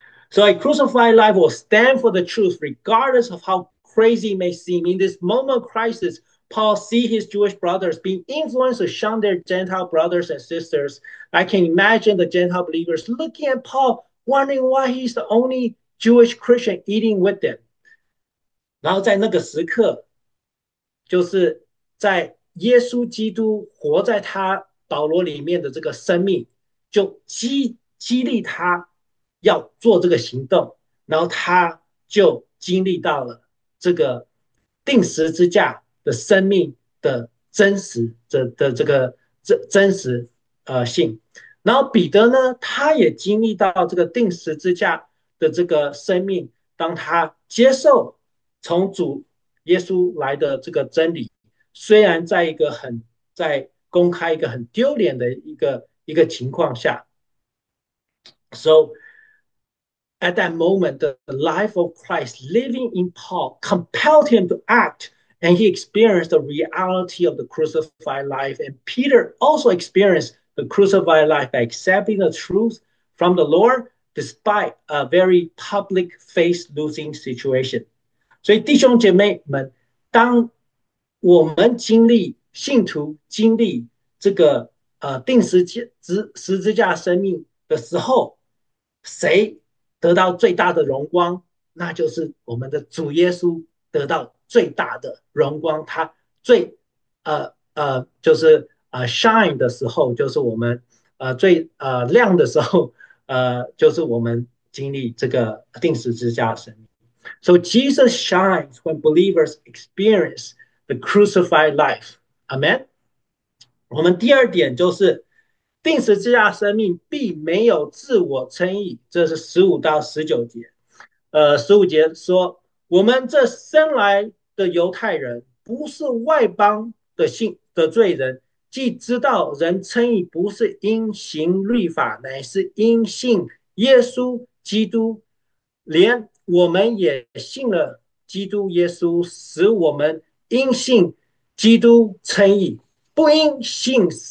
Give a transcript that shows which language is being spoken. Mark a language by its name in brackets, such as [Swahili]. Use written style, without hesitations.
[English] So a crucified life will stand for the truth, regardless of how crazy it may seem. In this moment of crisis, Paul sees his Jewish brothers being influenced to shun their Gentile brothers and sisters. I can imagine the Gentile believers looking at Paul, wondering why he's the only Jewish Christian eating with them. [Chinese] 然后在那个时刻，就是在耶稣基督活在他保罗里面的这个生命，就激励他要做这个行动，然后他就经历到了这个钉十字架的生命的真实的这个真实性。然后彼得呢，他也经历到这个钉十字架的这个生命，当他接受从主耶稣来的这个真理，虽然在一个很在公开一个很丢脸的一个情况下，so。 [English] At that moment, the life of Christ living in Paul compelled him to act, and he experienced the reality of the crucified life. And Peter also experienced the crucified life by accepting the truth from the Lord, despite a very public face-losing situation. [Chinese] 所以，弟兄姐妹们，当我们经历信徒经历这个钉十字架生命的时候，谁得到最大的荣光，那就是我们的主耶稣得到最大的荣光。他最就是shine 的时候，就是我们最亮的时候，就是我们经历这个钉十字架的生命。 [English] So Jesus shines when believers experience the crucified life. Amen. [Chinese] 我们第二点就是，钉十字架生命并没有自我称义，这是15到19节。 15节说，我们这生来的犹太人，不是外邦的信的罪人，既知道人称义不是因行律法，乃是因信耶稣基督，连我们也信了基督耶稣，使我们因信基督称义，不因行。